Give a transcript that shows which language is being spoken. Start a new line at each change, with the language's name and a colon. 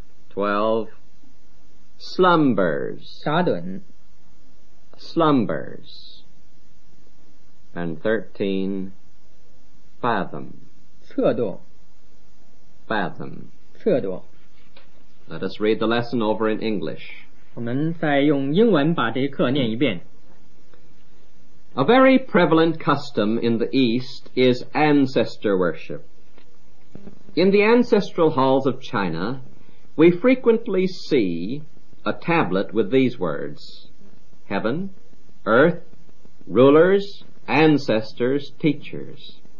English: 12. Slumbers.
Chinese: 傻盹
English: Slumbers. And 13. Fathom.
Chinese: 测度
English: Fathom.
Chinese: 测度
English: Let us read the lesson over in English.
Chinese: 我们再用英文把这一课念一遍。
English: A very prevalent custom in the East is ancestor worship. In the ancestral halls of China, we frequently see a tablet with these words, heaven, earth, rulers, ancestors, teachers.